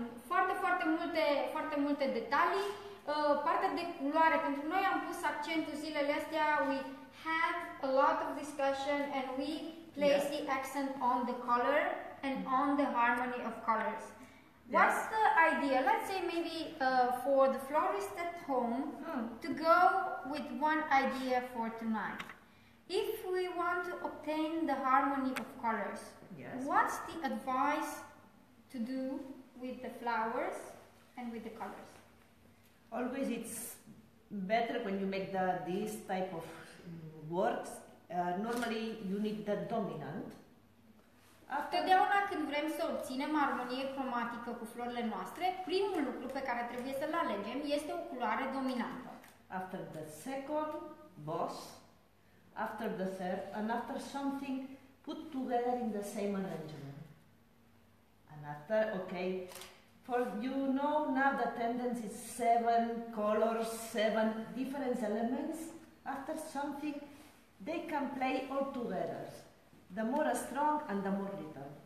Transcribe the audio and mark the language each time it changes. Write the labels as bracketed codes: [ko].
[ro] foarte, foarte multe, foarte multe detalii, partea de culoare, pentru noi am pus accentul zilele astea, [en] had a lot of discussion and we place the accent on the color and on the harmony of colors. What's the idea? Let's say maybe for the florist at home to go with one idea for tonight. If we want to obtain the harmony of colors, what's the advice to do with the flowers and with the colors? Always it's better when you make this type of works, normally you need the dominant. [ro] Totdeauna când vrem să obținem armonie cromatică cu florile noastre, primul lucru pe care trebuie să-l alegem este o culoare dominantă. [en] After the second, boss. After the third, and after something put together in the same arrangement. And after, okay, for you know now the tendency is seven colors, seven different elements, after something they can play all together, the more strong and the more little.